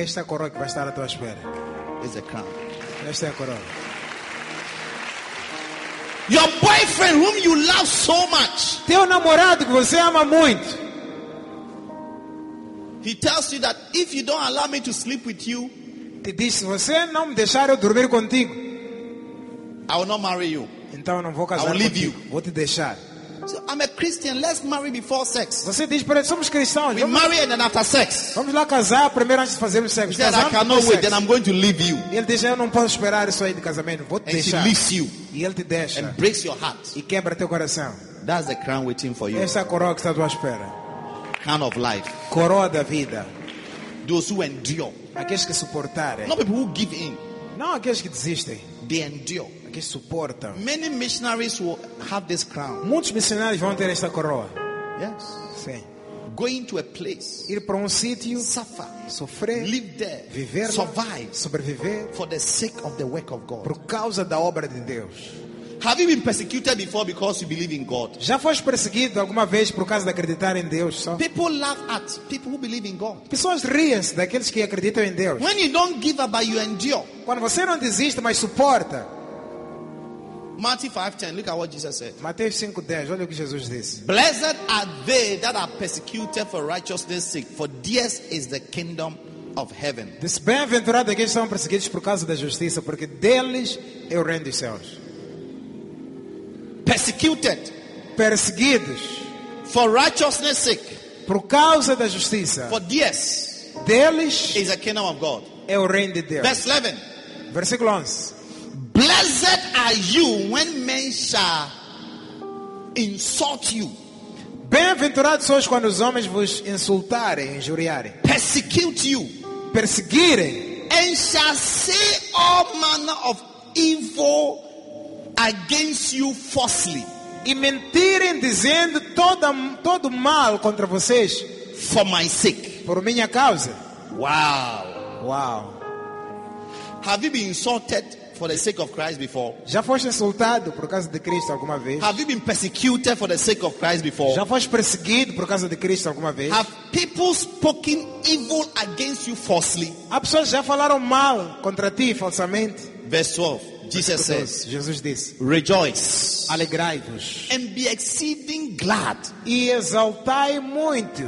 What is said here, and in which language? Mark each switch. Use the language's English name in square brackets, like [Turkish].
[Portuguese] Esta coroa que vai estar à tua espera. [English] This is the crown. [Portuguese] Esta é a coroa. [English] Your boyfriend whom you love so much. [Portuguese] Teu namorado que você ama muito. [English] He tells you that if you don't allow me to sleep with you, [Portuguese] te diz, se você não me deixar eu dormir contigo, [English] I will not marry you. [Portuguese] Então eu não vou casar. [English] I will leave [Portuguese] contigo. [English] You. [Portuguese] Vou te deixar. [English] So I'm a Christian. Let's marry before sex. [Portuguese] Você diz, somos cristãos. [English] We marry and then after sex. [Portuguese] Vamos lá casar primeiro antes de fazermos sexo. [English] He said, I cannot wait. Then I'm going to leave you. [Portuguese] Ele diz, eu não posso esperar isso aí de casamento. Vou te [English] and [Portuguese] deixar. [English] She leaves you. [Portuguese] E ele te deixa. [English] And breaks your heart. [Portuguese] E quebra teu coração. [English] That's the crown waiting for you. [Portuguese] Essa é a coroa que está à tua espera. [English] Crown of life. [Portuguese] Coroa da vida. [English] Those who endure. [Portuguese] Aqueles que suportarem. [English] Not people who give in. [Portuguese] Não aqueles que desistem. [English] They endure. [Portuguese] Que suporta. [English] Many missionaries will have this crown. [Portuguese] Muitos missionários vão ter esta coroa. [English] Yes. [Portuguese] Sim. [English] Going to a place. [Portuguese] Ir para sítio. [English] Suffer. [Portuguese] Sofrer. [English] Live there. [Portuguese] Viver. [English] Survive. [Portuguese] Sobreviver. [English] For the sake of the work of God. [Portuguese] Por causa da obra de Deus. [English] Have you been persecuted before because you believe in God? [Portuguese] Já foste perseguido alguma vez por causa de acreditar em Deus? Só? [English] People laugh at people who believe in God. [Portuguese] Pessoas riem daqueles que acreditam em Deus. [English] When you don't give up, but you endure. [Portuguese] Quando você não desiste, mas suporta. [English] Matthew 5:10. Look at what Jesus said. [Portuguese] Mateus 5:10. Olha o que Jesus disse. [English] Blessed are they that are persecuted for righteousness' sake, for theirs is the kingdom of heaven. [Portuguese] Bem-aventurados aqueles que são perseguidos por causa da justiça, porque deles é o reino dos céus. [English] Persecuted. [Portuguese] Perseguidos. [English] For righteousness' sake. [Portuguese] Por causa da justiça. [English] For theirs. [Portuguese] Deles [English] is the kingdom of God. [Portuguese] É o reino de Deus. [English] Verse 11. [Portuguese] Versículo 11. [English] Blessed are you when men shall insult you. [Portuguese] Bem-aventurados sois quando os homens vos insultarem, injuriarem. [English] Persecute you. [Portuguese] Perseguirem. [English] And shall say all manner of evil against you falsely. [Portuguese] E mentirem dizendo todo mal contra vocês [English] for my sake. [Portuguese] Por minha causa. [English] Wow. [Portuguese] Wow. [English] Have you been insulted for the sake of Christ before? [Portuguese] Já foste insultado por causa de Cristo alguma vez? [English] Have you been persecuted for the sake of Christ before? [Portuguese] Já foste perseguido por causa de Cristo alguma vez? [English] Have people spoken evil against you falsely? [Portuguese] As pessoas já falaram mal contra ti falsamente? [English] Verse 12. Jesus says, [Portuguese] Jesus diz, [English] rejoice, [Portuguese] alegrai-vos, [English] and be exceeding glad, [Portuguese] e exaltai muito,